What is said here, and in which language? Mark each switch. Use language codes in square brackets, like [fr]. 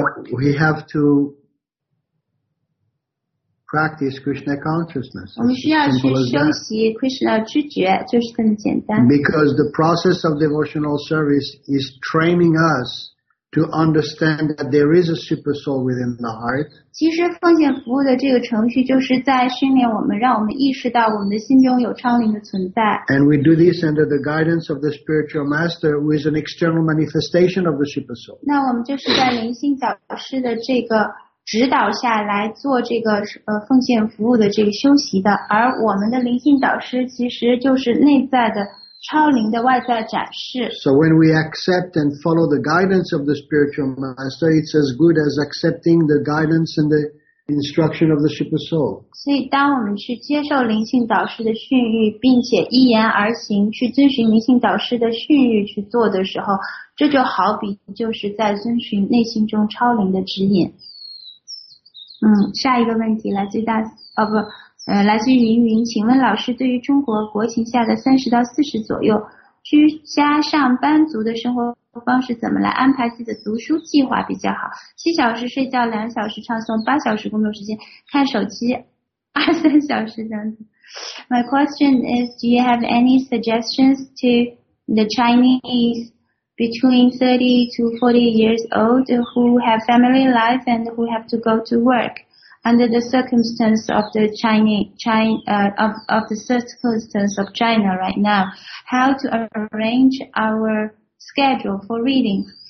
[en] We have to practice Krishna consciousness. [zh] 我们需要去修习 Krishna 知觉，就是这么简单。 [en] Because the process of devotional service is training us. To understand that there is a super soul within the heart. [zh] 其实奉献服务的这个程序就是在训练我们，让我们意识到我们的心中有超灵的存在。 [en] And we do this under the guidance of the spiritual master, who is an external manifestation of the super soul. [zh] 那我们就是在灵性导师的这个指导下来做这个奉献服务的这个修习的，而我们的灵性导师其实就是内在的。超灵的外在展示。 [en] So when we accept and follow the guidance of the spiritual master, it's as good as accepting the guidance and the instruction of the super soul. [zh] 所以当我们去接受灵性导师的训谕，并且依言而行，去遵循灵性导师的训谕去做的时候，这就好比就是在遵循内心中超灵的指引。下一个问题来自大，哦不。来自于云云，请问老师，对于中国国情下的30到40左右居家上班族的生活方式，怎么来安排自己的读书计划比较好？ 7小时睡觉，2小时唱诵，8小时工作时间看手机，2-3小时这样子。 [en] My question is, do you have any suggestions to the Chinese between 30 to 40 years old who have family life and who have to go to work. Under the circumstance of the circumstance of China right now, how to arrange our schedule for reading.